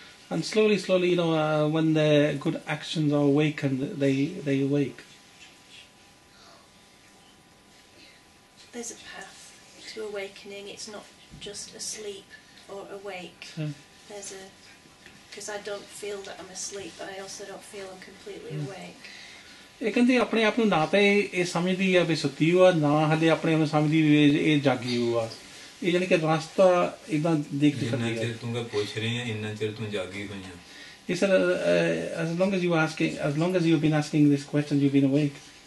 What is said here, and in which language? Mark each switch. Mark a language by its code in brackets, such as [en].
[en] And slowly, slowly, you know, when their good actions are awakened, they awake. There's a path to awakening. It's not just asleep or awake. There's a... Because I don't feel that I'm asleep, but I also don't feel I'm completely awake. [pa] ਕਹਿੰਦੇ ਆਪਣੇ ਆਪ ਨੂੰ ਨਾ ਤਾਂ ਇਹ ਸਮਝਦੀ ਆ ਵੀ ਸੁੱਤੀ ਹੋ ਆ ਨਾ ਹਲੇ ਆਪਣੇ ਆਪ ਨੂੰ ਸਮਝਦੀ ਵੀ ਇਹ ਜਾਗੀ ਹੋ ਆ ਇਹ ਯਾਨੀ ਕਿ ਰਸਤਾ ਇਦਾਂ ਦੇਖ ਕੇ ਜਿੰਨਾ ਚਿਰ ਤੂੰ ਗਾ ਪੁੱਛ ਰਹੀ ਆ ਇੰਨਾ ਚਿਰ ਤੂੰ ਜਾਗੀ ਹੋਈ ਆ [en] ਇਸ as long as you've been asking this question you've been awake